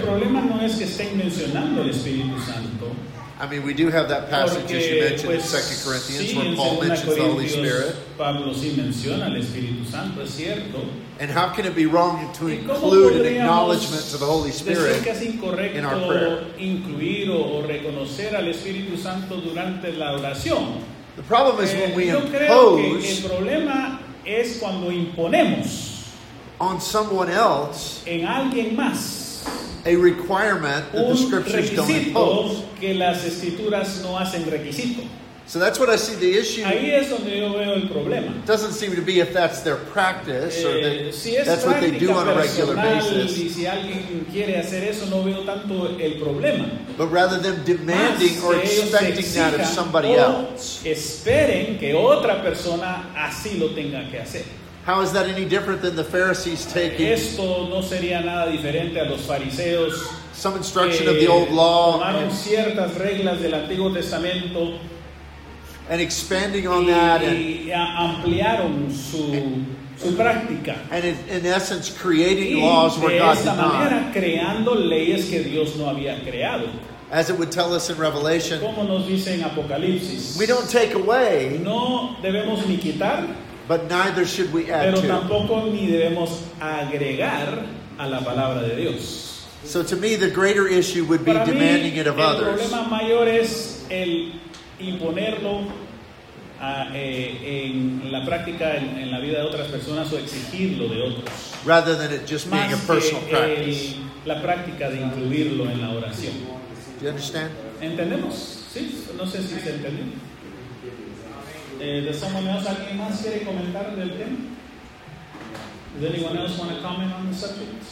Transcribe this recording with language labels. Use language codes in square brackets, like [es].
[es] El problema no es que estén mencionando el Espíritu Santo. [en] I mean, we do have that passage, [es] porque, [en] as you mentioned, in 2 Corinthians, [es] sí, [en] where Paul mentions the Holy Spirit. [es] Pablo sí menciona el Espíritu Santo, es cierto. [en] And how can it be wrong to include an acknowledgement to the Holy Spirit [es] decir que es incorrecto [en] in our prayer? [es] Incluir o reconocer al Espíritu Santo durante la oración. [en] The problem is when we [es] yo [en] impose [es] creo que el problema es cuando imponemos [en] on someone else [es] en alguien más [en] a requirement that the scriptures don't impose. [es] Que las escrituras no hacen requisito. [en] So that's what I see the issue. [es] Ahí es donde yo veo el problema. [en] It doesn't seem to be if that's their practice or that, [es] si [en] that's what they do on personal, a regular basis. [es] Y si alguien quiere hacer eso, no veo tanto el problema. [en] But rather than demanding [es] más [en] or expecting that of somebody else. [es] Esperen que otra persona así lo tenga que hacer. [en] How is that any different than the Pharisees taking [es] esto no sería nada diferente a los fariseos, [en] some instruction of the old law [es] tomaron ciertas reglas del Antiguo Testamento, [en] and expanding on that and [es] ampliaron su práctica, [en] and in essence creating laws where God did not. [es] De esta manera, creando leyes que Dios no había creado. [en] As it would tell us in Revelation, [es] como nos dice en Apocalipsis, [en] we don't take away [es] no debemos ni quitar [en] but neither should we add to. [es] Pero tampoco ni debemos agregar a la palabra de Dios. [en] So to me, the greater issue would be demanding it of others. [es] Para mí, el problema mayor es el imponerlo en la práctica, en la vida de otras personas, o exigirlo de otros. [en] Rather than it just being a personal practice. [es] Más que la práctica de incluirlo en la oración. [en] Do you understand? [es] ¿Entendemos? Sí, no sé si se entendió. [en] Does someone else, [es] alguien más quiere comentar del tema? [en] Does anyone else want to comment on the subject?